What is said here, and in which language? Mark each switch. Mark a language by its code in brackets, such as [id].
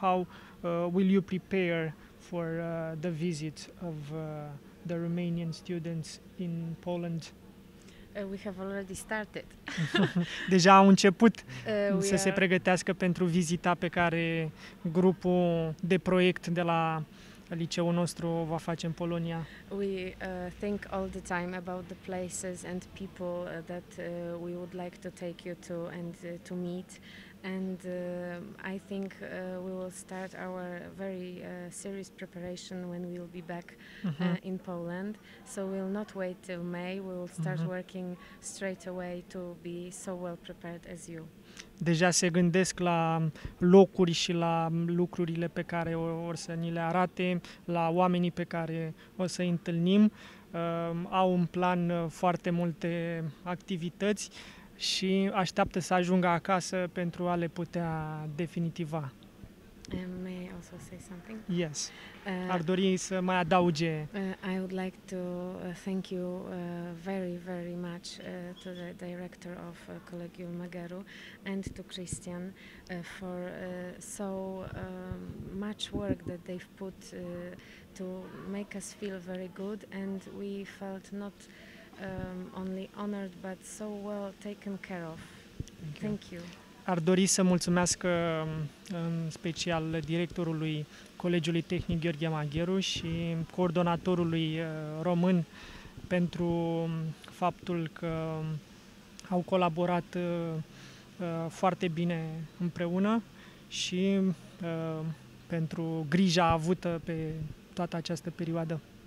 [en] How will you prepare for the visit of the Romanian students in Poland? We have already started. [ro] Deja au început să se pregătească pentru vizita pe care grupul de proiect de la liceul nostru va face în Polonia. [en] We think all the time about the places and people that we would like to take you to and to meet. And I think we will start our very serious preparation when we will be back in Poland. So we'll not wait till May. We will start working straight away to be so well prepared as you. [ro] Deja se gândesc la locuri și la lucrurile pe care o să ni le arate, la oamenii pe care o să îi întâlnim. Au în plan foarte multe activități și așteaptă să ajungă acasă pentru a le putea definitiva. [en] May I also say something? Yes. [ro] Ar dori să mai adauge. [en] I would like to thank you very, very much to the director of Collegium Magheru and to Christian for so much work that they've put to make us feel very good, and we felt not only honored, but so well taken care of. Thank you. [ro] Ar dori să mulțumesc în special directorului Colegiului Tehnic Gheorghe Magheru și coordonatorului român pentru faptul că au colaborat foarte bine împreună și pentru grija avută pe toată această perioadă.